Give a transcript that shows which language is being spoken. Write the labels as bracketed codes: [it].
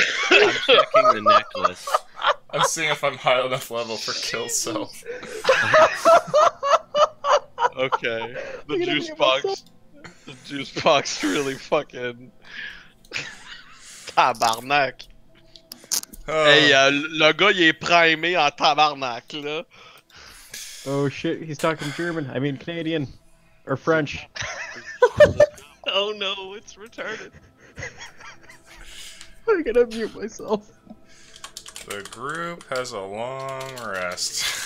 [en] I'm checking the necklace. I'm seeing if I'm high enough level for kill self. Okay. The juice box really fucking... [fr] Tabarnak. Hey, le gars, il est primé en tabarnak, là. [en] Oh shit, he's talking German. I mean Canadian. Or French. Oh no, it's retarded. I'm gonna mute myself. The group has a long rest.